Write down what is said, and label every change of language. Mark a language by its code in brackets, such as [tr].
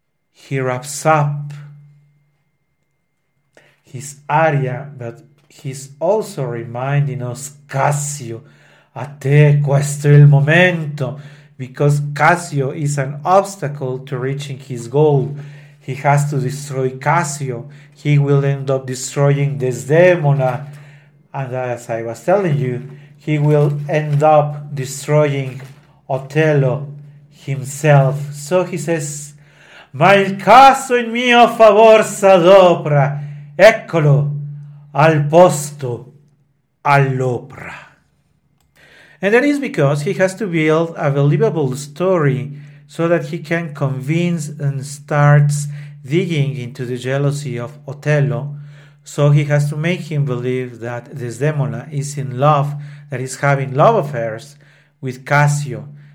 [en] He wraps up his aria, but he's also reminding us, Cassio, [it] a te questo è il momento, [en] because Cassio is an obstacle to reaching his goal. He has to destroy Cassio. He will end up destroying Desdemona, and as I was telling you, he will end up destroying Otello himself. So he says, [it] ma il caso in mio favor s'adopra, eccolo al posto all'opera. [en] And that is because he has to build a believable story so that he can convince and starts digging into the jealousy of Otello. So he has to make him believe that Desdemona is in love, that is having love affairs with Cassio.